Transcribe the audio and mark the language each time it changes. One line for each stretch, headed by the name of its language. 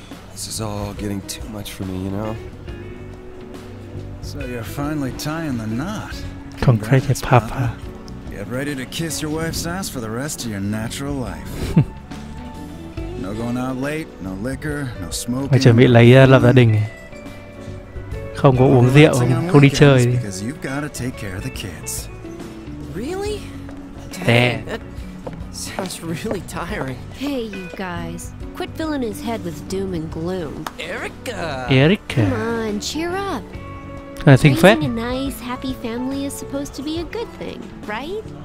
English: This is all getting too much for me, you know? So you're finally tying the knot. Concrete, Papa. Get ready to kiss your wife's ass for the rest of your natural life. No going out late, no liquor, no smoking.
Vietnamese: Mày chuẩn bị lấy ra lập gia đình. Không có uống rượu, không đi chơi.
English: Because you've got to take care of the kids. Really? Damn. Sounds really tiring. Hey, you guys. Quit filling his head with doom and gloom. Erica! Erica! Come on, cheer up. Là sinh phép. A nice, happy family is supposed to be a good thing, right?